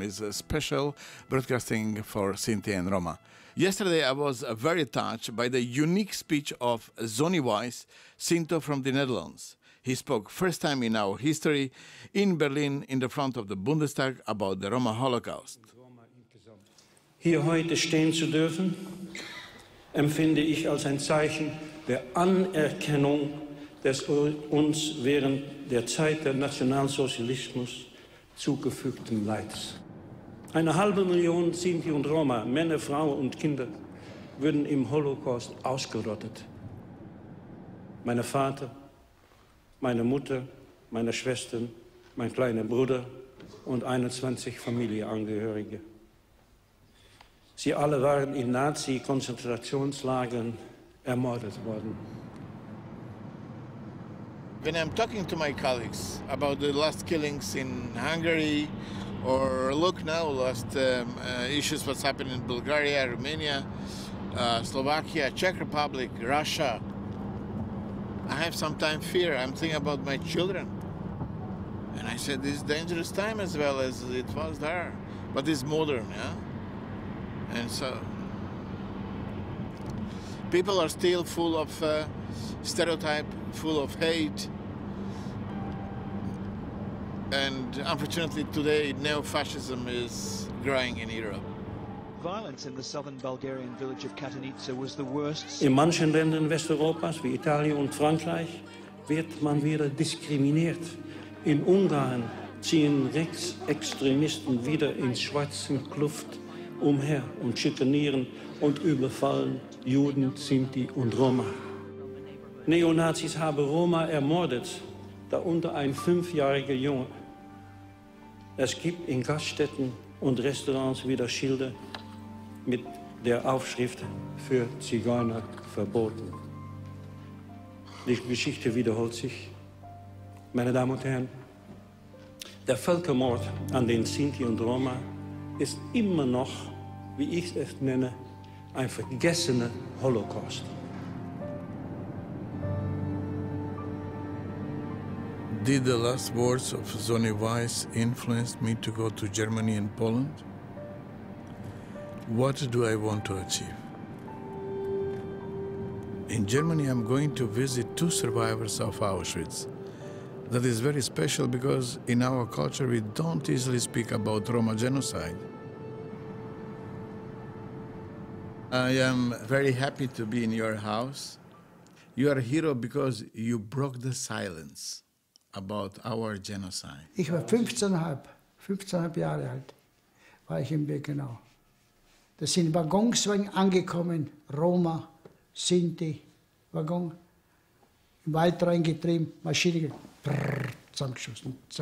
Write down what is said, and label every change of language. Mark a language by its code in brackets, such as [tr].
[en] It's a special broadcasting for Sinti and Roma. Yesterday I was very touched by the unique speech of Zoni Weiss, Sinto from the Netherlands. He spoke first time in our history in Berlin in the front of the Bundestag about the Roma Holocaust. [de] Hier heute stehen zu dürfen, empfinde ich als ein Zeichen der Anerkennung, das uns während der Zeit des Nationalsozialismus zugefügten Leids. Eine halbe Million Sinti und Roma, Männer, Frauen und Kinder, wurden im Holocaust ausgerottet. Mein Vater, meine Mutter, meine Schwestern, mein kleiner Bruder und 21 Familienangehörige. Sie alle waren in Nazi-Konzentrationslagern ermordet worden. [en] When I'm talking to my colleagues about the last killings in Hungary, or look now, last issues, what's happened in Bulgaria, Romania, Slovakia, Czech Republic, Russia, I have sometimes fear. I'm thinking about my children. And I said, this is a dangerous time as well as it was there. But it's modern, yeah? And so, people are still full of stereotype, full of hate. And unfortunately today, neo-fascism is growing in Europe. Violence in the southern Bulgarian village of Katowice was the worst. [de] In manchen Ländern Westeuropas, wie Italien und Frankreich, wird man wieder diskriminiert. In Ungarn ziehen Rechtsextremisten wieder in schwarzen Kluft umher und schikanieren und überfallen Juden, Sinti und Roma. Neonazis haben Roma ermordet, darunter ein fünfjähriger Junge. Es gibt in Gaststätten und Restaurants wieder Schilder mit der Aufschrift für Zigeuner verboten. Die Geschichte wiederholt sich. Meine Damen und Herren, der Völkermord an den Sinti und Roma ist immer noch, wie ich es nenne, ein vergessener Holocaust. [en] Did the last words of Zoni Weiss influence me to go to Germany and Poland? What do I want to achieve? In Germany, I'm going to visit two survivors of Auschwitz. That is very special because in our culture, we don't easily speak about Roma genocide. I am very happy to be in your house. You are a hero because you broke the silence about our genocide. [de] Ich war 15,5 Jahre alt, war ich in Birkenau. Da sind Waggons angekommen, Roma, Sinti, Waggon, im Wald reingetrieben, Maschine, brrr, zusammengeschossen.